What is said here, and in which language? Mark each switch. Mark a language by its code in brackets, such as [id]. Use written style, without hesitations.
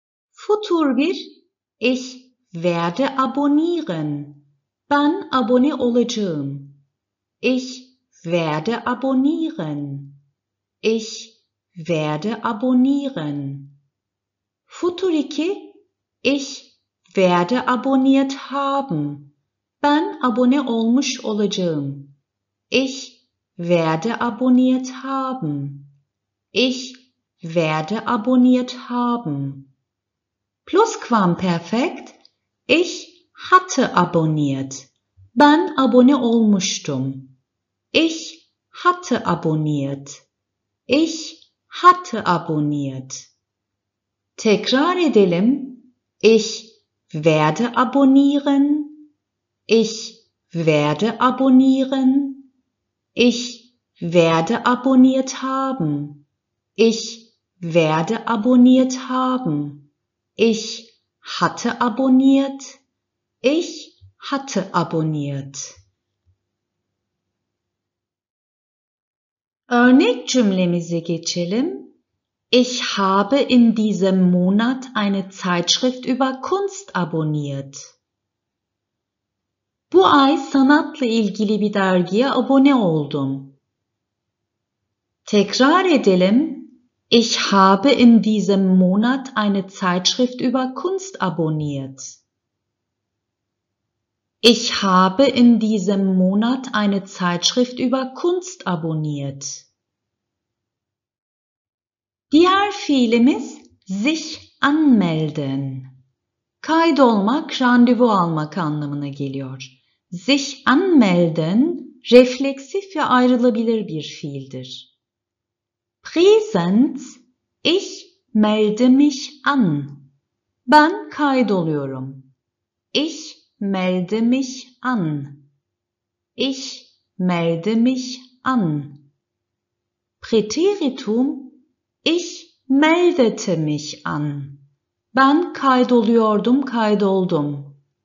[de] Futur bir, ich werde abonnieren, [tr] ben abone olacağım, [de] ich werde abonnieren. Ich werde abonnieren. Futur 2. Ich werde abonniert haben. [tr] Ben abone olmuş olacağım. [de] Ich werde abonniert haben. Ich werde abonniert haben. Plusquamperfekt. Ich hatte abonniert. [tr] Ben abone olmuştum. [de] Ich hatte abonniert. Ich hatte abonniert. [tr] Tekrar edelim. [de] Ich werde abonnieren. Ich werde abonnieren. Ich werde abonniert haben. Ich werde abonniert haben. Ich hatte abonniert. Ich hatte abonniert. [tr] Örnek cümlemize geçelim. [de] Ich habe in diesem Monat eine Zeitschrift über Kunst abonniert. [tr] Bu ay sanatla ilgili bir dergiye abone oldum. Tekrar edelim. [de] Ich habe in diesem Monat eine Zeitschrift über Kunst abonniert. Ich habe in diesem Monat eine Zeitschrift über Kunst abonniert. [tr] Diğer fiilimiz sich anmelden. Kaydolmak, randevu almak anlamına geliyor. Sich anmelden refleksif ve ayrılabilir bir fiildir. [de] Präsenz, ich melde mich an. [tr] Ben kaydoluyorum. [de] Ich melde mich an. Ich melde mich an. Präteritum, ich meldete mich an. [tr] Ben kaydoluyordum, kaydoldum.